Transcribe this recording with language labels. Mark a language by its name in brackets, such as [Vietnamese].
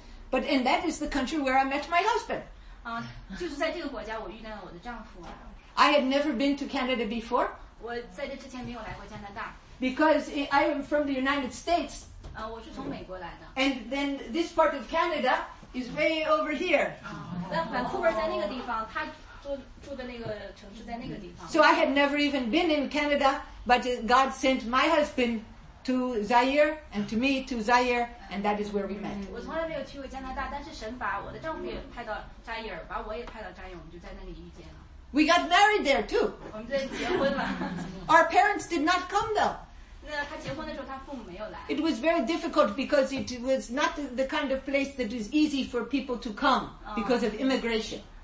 [English] But and that is the country where I met my husband. [Chinese] 就是在这个国家我遇到了我的丈夫。 [English] I had never been to Canada before. [Chinese] 我在这之前没有来过加拿大。 [English] Because I am from the United States. [Chinese] 我是从美国来的。 [English] And then this part of Canada is way over here. [Chinese] 那Vancouver在那个地方，他住的那个城市在那个地方。 [English] So I had never even been in Canada, but God sent my husband to Zaire and to me to Zaire, and that is where we met. [Chinese] 我从来没有去过加拿大，但是神把我的丈夫也派到扎伊尔，把我也派到扎伊尔，我们就在那里遇见了。 [English] We got married there too. [Chinese] 我们结婚了。 [English] Our parents did not come though. [Chinese] 那他结婚的时候，他父母没有来。 [English] It was very difficult because it was not the kind of place that is easy for people to come because of immigration.